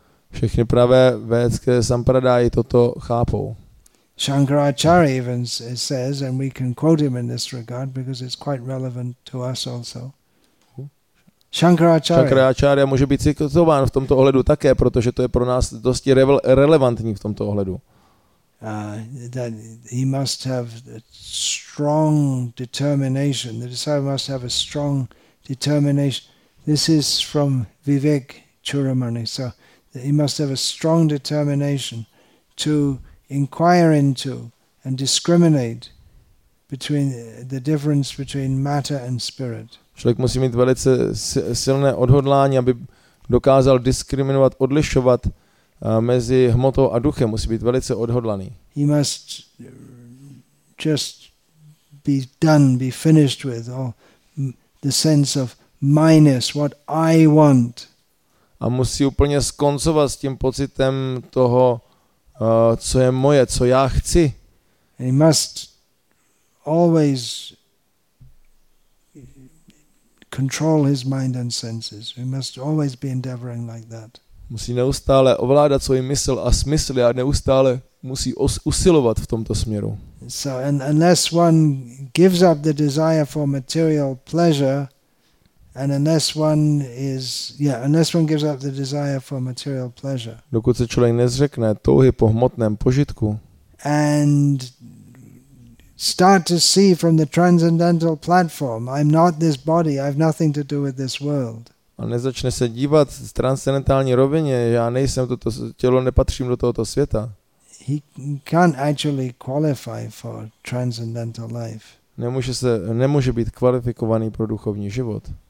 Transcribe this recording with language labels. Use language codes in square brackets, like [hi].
[cs] Všechny pravé védské sampradáji toto chápou. [en] Shankaracharya even says, and we can quote him in this regard because it's quite relevant to us also. Shankaracharya [cs] může být citován v tomto ohledu také, protože to je pro nás dosti relevantní v tomto ohledu. [en] that he must have a strong determination. The disciple must have a strong determination. This is from Vivek Churamani. So he must have a strong determination to inquire into and discriminate between the difference between matter and spirit. [cs] Člověk musí mít velice silné odhodlání, aby dokázal diskriminovat, odlišovat mezi hmotou a duchem. Musí být velice odhodlaný. [en] He must just be done, be finished with all the sense of minus what I want. [cs] A musí úplně skoncovat s tím pocitem toho, co je moje, co já chci. [en] He must always control his mind and senses. He must always be endeavoring like that. [cs] Musí neustále ovládat svůj mysl a smysl a neustále musí usilovat v tomto směru. [en] So, and unless one gives up the desire for material pleasure, and unless one is, unless one gives up the desire for material pleasure. [cs] Dokud se člověk nezřekne touhy po hmotném požitku. [en] And start to see from the transcendental platform, I'm not this body, I have nothing to do with this world. [cs] A nezačne se dívat z transcendentální rovině, já nejsem toto tělo, nepatřím do tohoto světa. [en] He can't actually qualify for transcendental life. [cs] Nemůže být kvalifikovaný pro duchovní život.